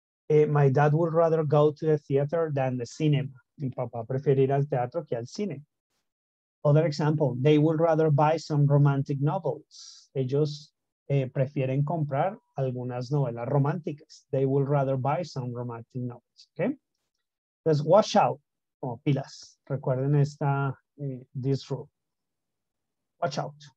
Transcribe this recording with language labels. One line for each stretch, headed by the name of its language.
English: My dad would rather go to the theater than the cinema.
Spanish: Mi papá prefiere ir al teatro que al cine.
English: Other example, they would rather buy some romantic novels.
Spanish: Ellos prefieren comprar algunas novelas románticas.
English: They would rather buy some romantic novels, ¿ok?
Spanish: Entonces,
English: watch out,
Spanish: como pilas. Recuerden esta,
English: this rule. Watch out.